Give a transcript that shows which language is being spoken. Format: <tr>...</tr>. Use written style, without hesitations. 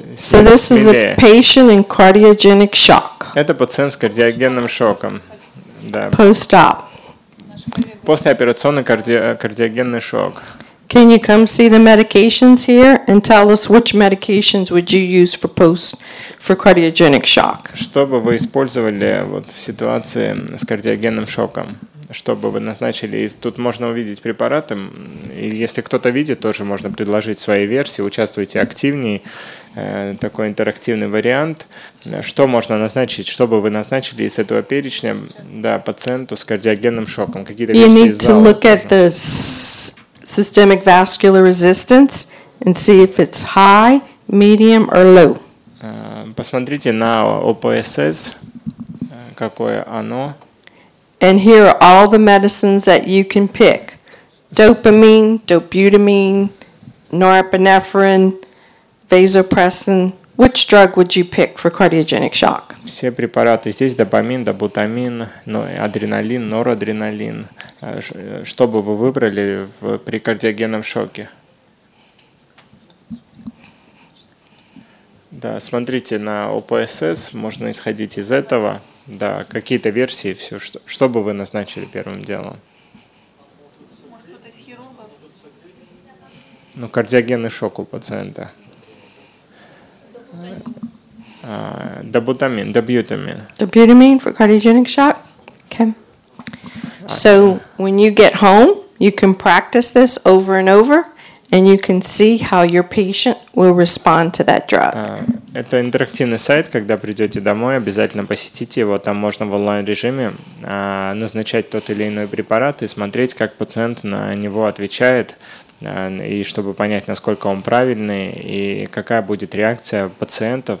<en>So this is a patient in cardiogenic shock.</en> <ru>Это пациент с кардиогенным шоком. Да.</ru> <en>Post-op.</en> <ru>Послеоперационный кардиогенный шок.</ru> <en>Can you come see the medications here and tell us which medications would you use for cardiogenic shock?</en> <ru>Что бы вы использовали вот в ситуации с кардиогенным шоком? Что бы вы назначили? И тут можно увидеть препараты. И если кто-то видит, тоже можно предложить свои версии. Участвуйте активнее. Такой интерактивный вариант. Что можно назначить? Что бы вы назначили из этого перечня, да, пациенту с кардиогенным шоком? Какие-то</ru> <en>you</en> <ru>версии</ru> <en>need to look at this. Systemic vascular resistance and see if it's high, medium or low.</en> <ru>Посмотрите на ОПСС, какое оно.</ru> <en>And here are all the medicines that you can pick. Dopamine, dobutamine, norepinephrine, vasopressin. Which drug would you pick for cardiogenic shock?</en> <ru>Все препараты здесь: допамин, добутамин, адреналин, норадреналин. Что бы вы выбрали при кардиогенном шоке? Да, смотрите на ОПСС, можно исходить из этого. Да, какие-то версии, все. Что бы вы назначили первым делом? Может, кто-то из хирургов? Ну, кардиогенный шок у пациента. Добутамин. Добутамин.</ru> <en>Добутамин for cardiogenic shock? Okay. So when you get home, you can practice this over and over And you can see how your patient will respond to that drug.</en> <ru>Это интерактивный сайт, когда придете домой, обязательно посетите его. Там можно в онлайн-режиме назначать тот или иной препарат и смотреть, как пациент на него отвечает, и чтобы понять, насколько он правильный и какая будет реакция пациентов.</ru>